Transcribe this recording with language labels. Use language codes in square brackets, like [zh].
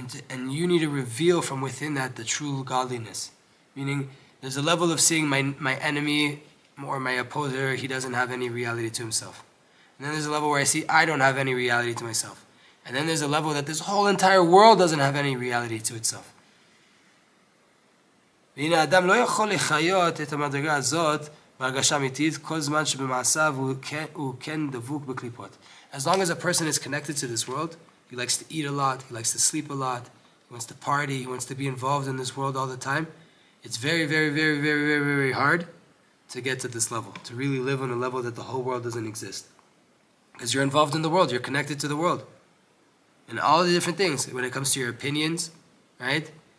[en] And you need to reveal from within that the true godliness. Meaning, there's a level of seeing my enemy or my opposer, he doesn't have any reality to himself. And then there's a level where I see I don't have any reality to myself. And then there's a level that this whole entire world doesn't have any reality to itself. [he] והנה האדם לא יכול לחיות את המדרגה הזאת בהרגשה אמיתית כל זמן שבמעשיו הוא כן דבוק בקליפות. [en] As long as a person is connected to this world, he likes to eat a lot, he likes to sleep a lot, he wants to party, he wants to be involved in this world all the time. It's very, very, very, very, very, very hard to get to this level, to really live on a level that the whole world doesn't exist. Because you're involved in the world, you're connected to the world. And all the different things, when it comes to your opinions, right?